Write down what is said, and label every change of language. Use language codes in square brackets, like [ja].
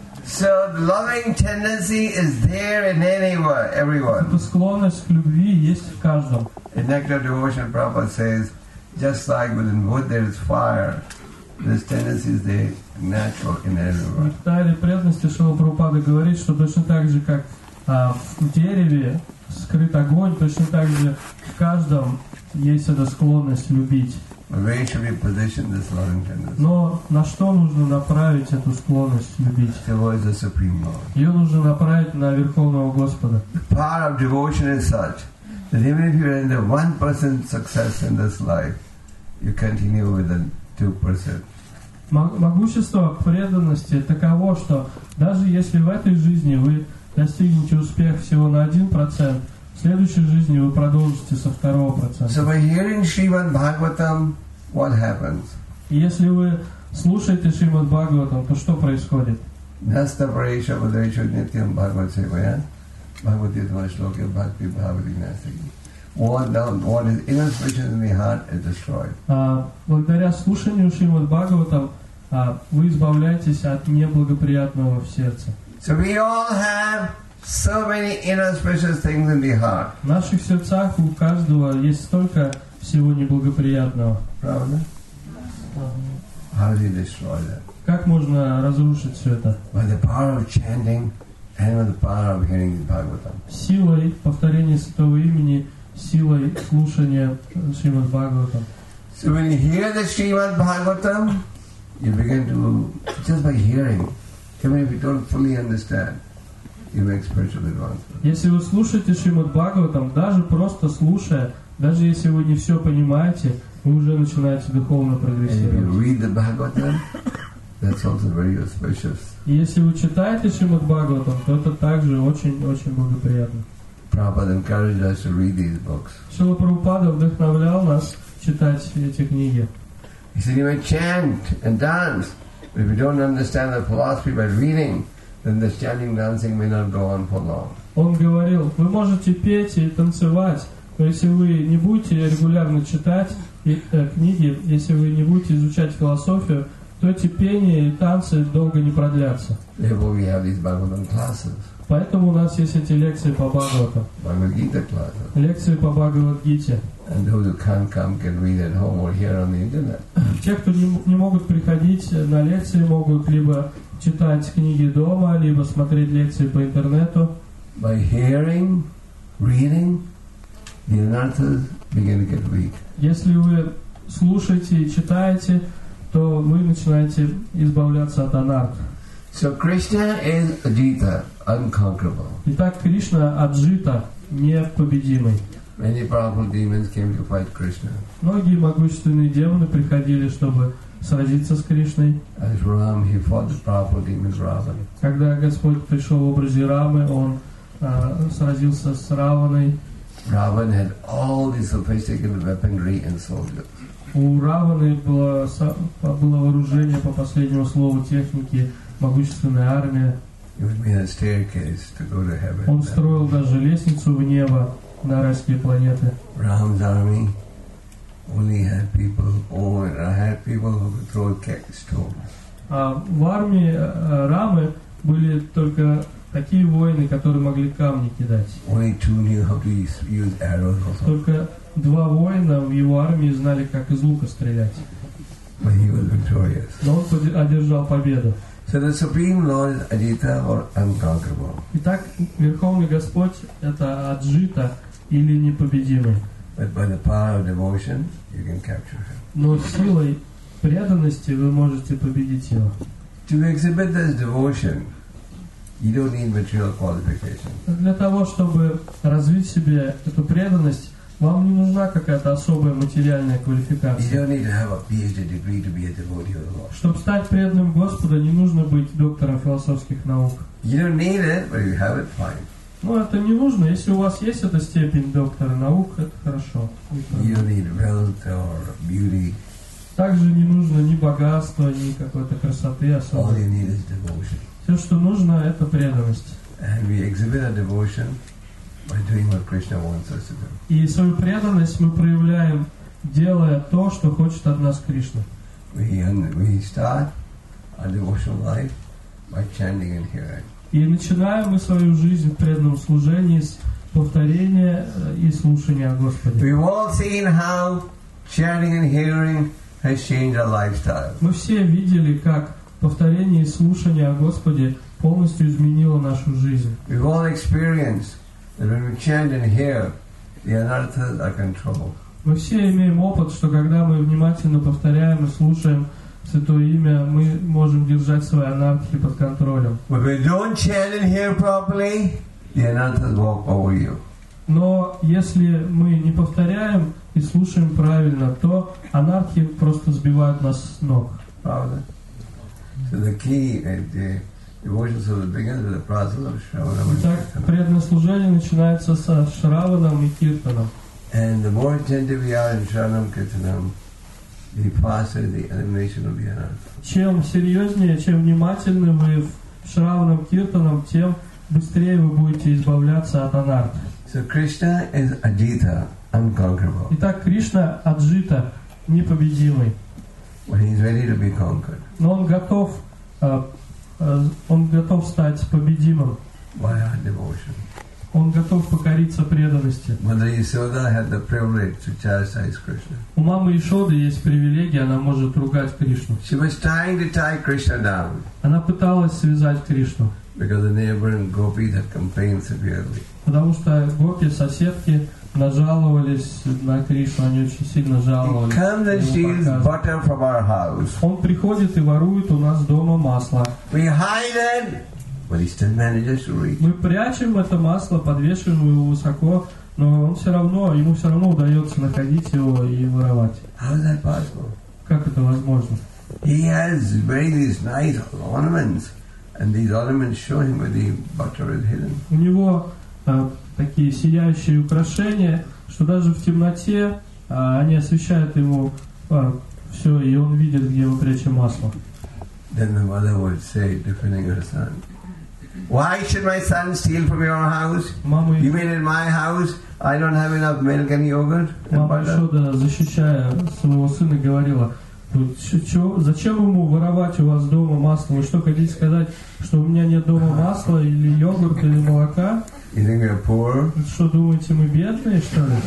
[en] So loving tendency is there in anyone, everyone. [ru] Эта склонность к любви есть в каждом. [en] In Nectar Devotion, Prabhupada says, just like within wood there is fire, this tendency is there, natural in everyone. [ru] В Нектаре преданности Шрила Прабхупада говорит, что точно так же, как в дереве скрыт огонь, точно так же в каждом есть эта склонность любить. [en] Where should we position this loving tendency? [ru] Но на что нужно направить эту склонность любить? [en] The Lord is the Supreme Lord. [ru] Ее нужно направить на Верховного Господа. [en] The power of devotion is such that even if you are in the 1% success in this life, you continue with the 2%. [ru] Могущество преданности таково, что даже если в этой жизни вы достигнете успех всего на 1%, в следующей жизни вы продолжите со 2%. [en] So by hearing Shrimad Bhagavatam, what happens? [ru] Если вы слушаете Шримад Бхагаватам, то что происходит? [sa] Настапрайша Бхадрайша Нитьям Бхагават Севая Бхагаватитва Шлоке Бхакти Бхавати Насаги. [en] What is inauspicious in the heart is destroyed. [ru] Благодаря слушанию Шримад Бхагаватам вы избавляетесь от неблагоприятного в сердце. [en] So we all have so many inauspicious things in the heart. [ru] В наших сердцах у каждого есть столько всего неблагоприятного. Правда? [en] How do you destroy that? [ru] Как можно разрушить все это? [en] By the power of chanting and with the power of hearing the Bhagavatam. [ru] Силой повторения святого имени, силой слушания Шримад Бхагаватам. [en] So when you hear the Shrimad Bhagavatam, you begin to, just by hearing, even if you don't fully understand, you make spiritual advancement. [ru] Если вы слушаете Шримад Бхагаватам, даже просто слушая, даже если вы не все понимаете, вы уже начинаете духовно прогрессировать. [en] And if you read the Bhagavatam, that's also very auspicious. [ru] Если вы читаете Шримад Бхагаватам, то это также очень-очень благоприятно. [en] Prabhupada encouraged us to read these books. [ru] Шрила Прабхупада вдохновлял нас читать эти книги. [en] He said, you may chant and dance, but if you don't understand the philosophy by reading, then the chanting and dancing may not go on for long. [ru] Он говорил, вы можете петь и танцевать, но если вы не будете регулярно читать книги, если вы не будете изучать философию, то эти пения и танцы долго не продлятся. [en] Therefore we have these Bhagavatam classes. [ru] Поэтому у нас есть эти лекции по Бхагавату. Бхагавад-гита класс. Лекции по Бхагавад-гите. [en] And those who can't come can read at home or hear on the internet. [ru] Те, кто не могут приходить на лекции, могут либо читать книги дома, либо смотреть лекции по интернету. [en] By hearing, reading, the announcers begin to get weak. [ru] Если вы слушаете и читаете, то вы начинаете избавляться от анарх. [en] So Krishna is Ajita, unconquerable. [ru] Итак, Кришна Аджита, непобедимый. [en] Many powerful demons came to fight Krishna. [ru] Многие могущественные демоны приходили, чтобы сразиться с Кришной. [en] As Ram, he fought the powerful demons Ravana. [ru] Когда Господь пришел в образе Рамы, он сразился с Раваной. [en] Ravana had all the sophisticated weaponry and soldiers. [ru] У Раваны было вооружение по последнему слову техники, могущественная армия. [en] It would mean a staircase to go to heaven. [ru] Он строил даже лестницу в небо на райские планеты. [en] Ram's army only had people, or had people who could throw stones. [ru] А в армии Рамы были только такие воины, которые могли камни кидать. [en] Only two knew how to use arrows. [ru] Только два воина в его армии знали, как из лука стрелять. [en] But he was victorious. [ru] Но он одержал победу. [en] So the Supreme Lord is Ajita or unconquerable. [ru] Итак, Верховный Господь – это Аджита или непобедимый. [en] But by the power of devotion, you can capture him. [ru] Но силой преданности вы можете победить его. [en] To exhibit this devotion, You don't need material qualification. [ru] Для того, чтобы развить себе эту преданность, вам не нужна какая-то особая материальная квалификация. [en] You don't need to have a PhD degree to be a devotee of the Lord. [ru] Чтобы стать преданным Господа, не нужно быть доктором философских наук. [en] You don't need it, but if you have it, fine. [ru] Ну, это не нужно. Если у вас есть эта степень доктора наук, это хорошо. [en] You don't need wealth or beauty. [ru] Также не нужно ни богатства, ни какой-то красоты особой. [en] All you need is devotion. [ru] Все, что нужно, это преданность. [en] And we exhibit our devotion by doing what Krishna wants us to do. [ru] И свою преданность мы проявляем, делая то, что хочет от нас Кришна. [en] We start our devotional life by chanting and hearing. [ru] И начинаем мы свою жизнь в преданном служении с повторения и слушания о Господе. [en] We've all seen how chanting and hearing has changed our lifestyle. [ru] Мы все видели, как повторение и слушание о Господе полностью изменило нашу жизнь. [en] We've all experienced that when we chant and hear, the anarthas are controlled. [ru] Мы все имеем опыт, что когда мы внимательно повторяем и слушаем Святое Имя, мы можем держать свои анархи под контролем. [en] But if you don't chant and hear properly, the anarthas walk over you. [ru] Но если мы не повторяем и слушаем правильно, то анархи просто сбивают нас с ног. Правда? [en] So the key is the devotion of the beginning of the process of Shravana Kirtana. [ru] Итак, преданное служение начинается со Шраванам и Киртанам. [en] And the more attentive we are in Shravanam Kirtanam, the faster the elimination will be announced. [ru] Чем серьезнее, чем внимательнее вы в Шраванам Киртанам, тем быстрее вы будете избавляться от анарт. [en] So Krishna is Ajita, unconquerable. [ru] Итак, Кришна Аджита, непобедимый. [en] When he's ready to be conquered. [ru] Но он готов, он готов стать победимым. [en] By our devotion. [ru] Он готов покориться преданности. [en] Mother Yashoda had the privilege to chastise Krishna. [ru] У мамы Ишоды есть привилегия, она может ругать Кришну. [en] She was trying to tie Krishna down. [ru] Она пыталась связать Кришну. [en] Because the neighboring gopis had complained severely. [ru] Потому что гопи соседки нажаловались на Кришну, они очень сильно жаловались. [en] He comes and steals butter from our house. [ru] Он приходит и ворует у нас дома масло. [en] We hide it, but he still manages to reach. [ru] Мы прячем это масло, подвешиваем его высоко, но он все равно, ему все равно удается находить его и воровать. [en] How is that possible? [ru] Как это возможно? [en] He has very these nice ornaments, and these ornaments show him where the butter is hidden. [ru] У него такие сияющие украшения, что даже в темноте они освещают ему все, и он видит, где мы прячем масло. [en] Then the mother would say, defending her son, "Why should my son steal from your house? [ru] Мама, [en] you mean in my house? I don't have enough milk and yogurt." [ru] Мама Ишода, защищая своего сына, говорила: зачем ему воровать у вас дома масло? Вы что, хотите сказать, что у меня нет дома масла или йогурта или молока? [en] You think we're poor? [ru] Что думаете, мы бедные, что ли?